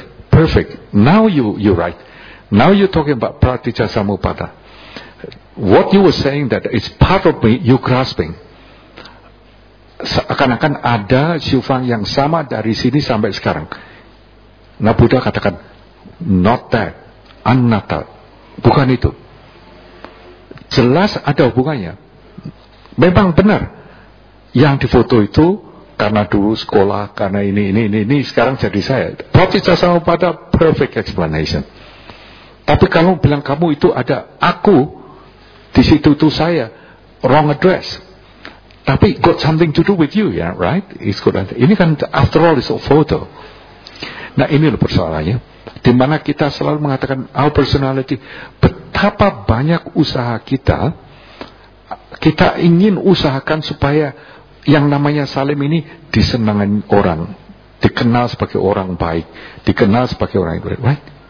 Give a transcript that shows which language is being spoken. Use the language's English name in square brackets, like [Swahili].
[English] Perfect. Now you're right. Now you're talking about Pratijasamupada. What you were saying that it's part of me, you grasping. [Indonesian] Seakan-akan ada Shufang yang sama dari sini sampai sekarang. Nah, Buddha katakan, [English] not that, [Indonesian] anatta, bukan itu. Jelas ada hubungannya. Memang benar, yang difoto itu karena dulu sekolah, karena ini, sekarang jadi saya. Pratijasamupada, perfect explanation. Tapi kalau bilang kamu itu ada aku, di situ tuh saya, [English] wrong address. [Indonesian] Tapi [English] got something to do with you, yeah, right? It's got that. [Indonesian] Ini kan [English] after all is a photo. [Indonesian] Nah, ini loh persoalannya. Di mana kita selalu mengatakan [English] our personality. [Indonesian] Betapa banyak usaha kita, kita ingin usahakan supaya yang namanya Salim ini disenangkan orang, dikenal sebagai orang baik, dikenal sebagai orang baik, [English] right?